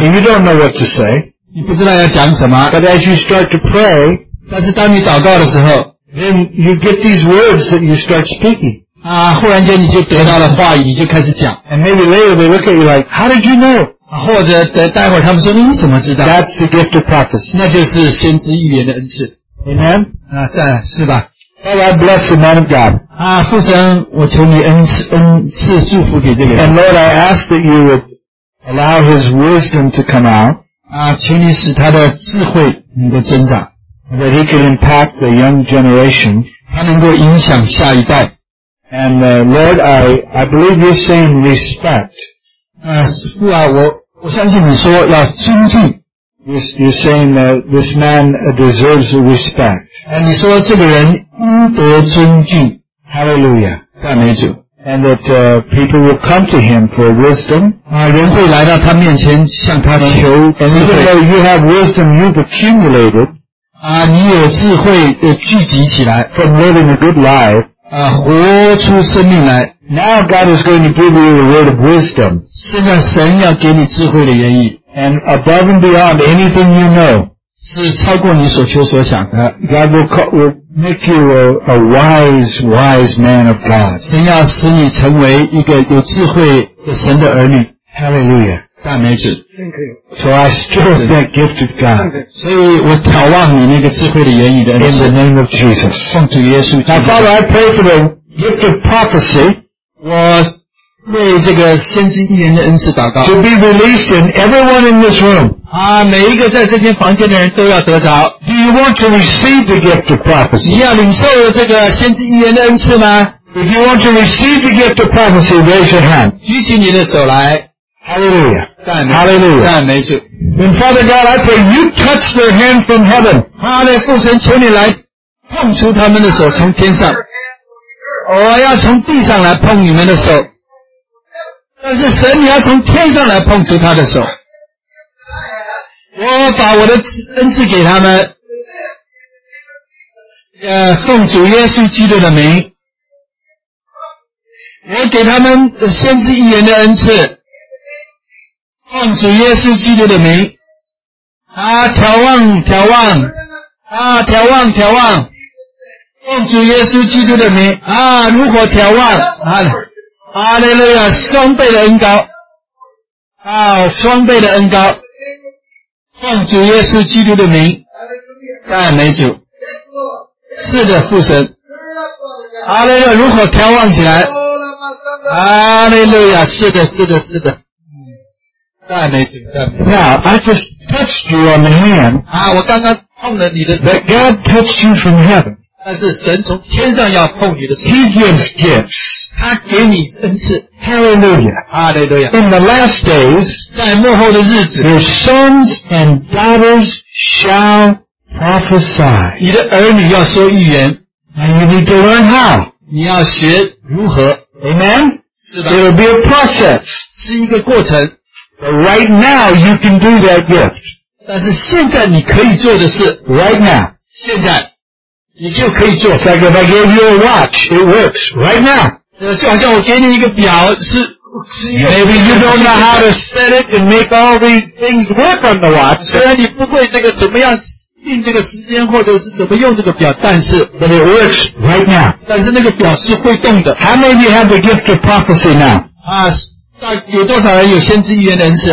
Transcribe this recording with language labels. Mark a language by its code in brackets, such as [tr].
[en] And you don't know what to say. [zh] 你不知道要讲什么。 [en] But as you start to pray, [zh] 但是当你祷告的时候, [en] then you get these words that you start speaking. [zh] 忽然间你就得到了话语,你就开始讲。 [en] And maybe later they look at you like, how did you know? [zh] 或者待会儿他们说,你怎么知道? [en] That's the gift of prophecy. [zh] 那就是先知预言的恩赐。 [en] Amen? [zh] 是吧。 [en] Father, I bless the man of God. [zh] 父神,我求你恩赐祝福给这个人。 [en] And Lord, I ask that you would allow his wisdom to come out. [zh] 求你使他的智慧能够增长。 [en] That he can impact the young generation. [zh] 他能够影响下一代。 [en] And Lord, I believe you're saying respect. [zh] 父啊,我相信你说要尊敬。 [en] You're saying that this man deserves respect. [zh] And 你说这个人应得尊敬。 [en] Hallelujah. [zh] 赞美主。 [en] And that people will come to him for wisdom. [zh] 人会来到他面前向他求智慧。 [en] Even though you have wisdom you've accumulated. [zh] 你有智慧聚集起来。 [en] From living a good life. [zh] 活出生命来。 [en] Now God is going to give you the word of wisdom. [zh] 现在神要给你智慧的言语。 [en] And above and beyond anything you know, [zh] 是超过你所求所想的, [en] God will make you a wise, wise man of God. [zh] 神要使你成为一个有智慧的神的儿女。 [en] Hallelujah. [zh] 赞美主。 [en] So I stir up that gift of God. [zh] 所以我挑望你那个智慧的言语的恩赐。 [en] In the name of Jesus. [zh] 奉主耶稣基督。 [en] Now Father, I pray for the gift of prophecy. [zh] 为这个先知预言的恩赐祷告。 [en] To be released in everyone in this room. [zh] 每一个在这间房间的人都要得着。 [en] Do you want to receive the gift of prophecy? [zh] 你要领受这个先知预言的恩赐吗? [en] If you want to receive the gift of prophecy, raise your hand. [zh] 举起你的手来。 [en] Hallelujah. [zh] 赞美, [en] Hallelujah. [zh] 赞美主。 [en] Then Father God, I pray you touch their hand from heaven. [zh] 父神求你来碰出他们的手从天上。我要从地上来碰你们的手，但是神你要从天上来碰出他的手。我把我的恩赐给他们，奉主耶稣基督的名，我给他们先知预言的恩赐，奉主耶稣基督的名。啊，眺望眺望，啊，眺望眺望，奉主耶稣基督的名。啊，如何眺望？啊，哈利路亚，双倍的恩膏，啊，双倍的恩膏，奉主耶稣基督的名，赞美主。是的，父神。哈利路亚，如何眺望起来？哈利路亚，是的，是的，是的。赞美主，赞美主。 [en] Now, I just touched you on the hand. [zh] 啊，我刚刚碰了你的手。 [en] But God touched you from heaven. [zh] 但是神从天上要碰你的手。 [en] He gives gifts. [zh] 他给你恩赐。 [en] Hallelujah. Hallelujah. In the last days, [zh] 在末后的日子， [en] your sons and daughters shall prophesy. [zh] 你的儿女要说预言。 [en] And you need to learn how. [zh] 你要学如何。 [en] Amen? [zh] 是吧？ [en] It will be a process. [zh] 是一个过程。 [en] But right now, you can do that gift. [zh] 但是现在你可以做的是。 [en] Right now. [zh] 现在。你就可以做。 [en] It's like if I gave you a watch, it works right now. [zh] 就好像我给你一个表，是 [en] Maybe you don't know how to set it and make all the things work on the watch. [zh] 虽然你不会这个怎么样定这个时间或者是怎么用这个表，但是 [en] But it works right now. [zh] 但是那个表是会动的。 [en] How many of you have the gift of prophecy now? [zh] 啊，有多少人有先知预言的恩赐？